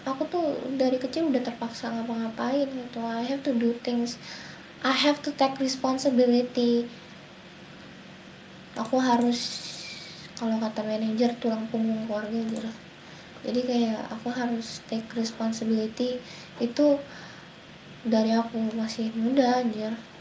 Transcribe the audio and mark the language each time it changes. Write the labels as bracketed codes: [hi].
[id] Aku tuh dari kecil udah terpaksa ngapa-ngapain gitu. [en] I have to do things, I have to take responsibility. [id] Aku harus, kalau kata manajer, tulang punggung keluarga gitu. Jadi kayak aku harus [en] take responsibility [id] itu dari aku masih muda anjir.